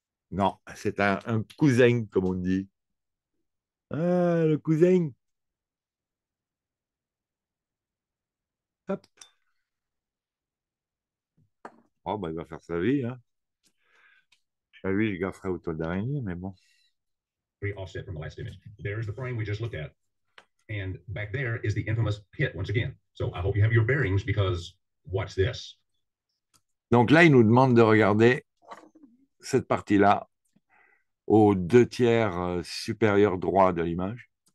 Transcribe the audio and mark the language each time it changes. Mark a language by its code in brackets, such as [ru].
[fr] Non, c'est un cousin, comme on dit. Ah, le cousin. Hop. Oh, bah, il va faire sa vie, hein. À lui, je gafferai autour de l'araignée, mais bon. [en] Pretty offset from the last image. There's the frame we just looked at. And back there is the infamous pit once again. So I hope you have your bearings because watch this. [fr] Donc là, il nous demande de regarder cette partie-là au deux tiers supérieur droit de l'image.